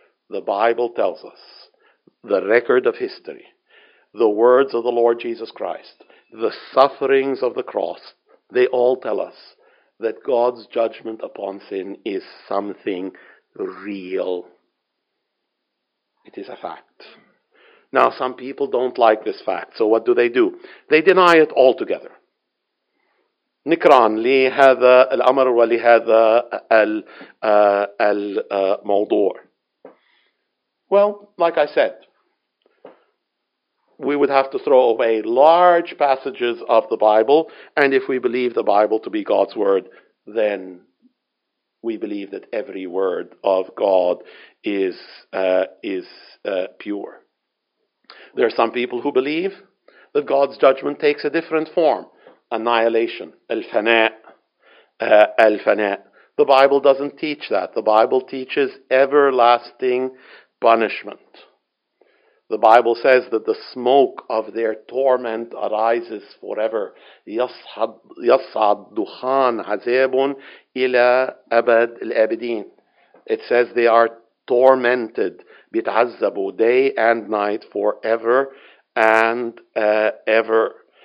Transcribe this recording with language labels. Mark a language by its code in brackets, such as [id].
[en] The Bible tells us, the record of history, the words of the Lord Jesus Christ, the sufferings of the cross, they all tell us that God's judgment upon sin is something real. It is a fact. Now, some people don't like this fact, so what do? They deny it altogether. [ar] نكران لهذا الأمر ولهذا الموضوع. [en] Well, like I said, we would have to throw away large passages of the Bible, and if we believe the Bible to be God's word, then we believe that every word of God is pure. There are some people who believe that God's judgment takes a different form, annihilation, al-fana. The Bible doesn't teach that. The Bible teaches everlasting punishment. The Bible says that the smoke of their torment arises forever. [ar] يصعد دخان عذاب إلى أبد الأبدين. [en] It says they are tormented, [ar] بتعذبوا, [en] day and night, forever and ever.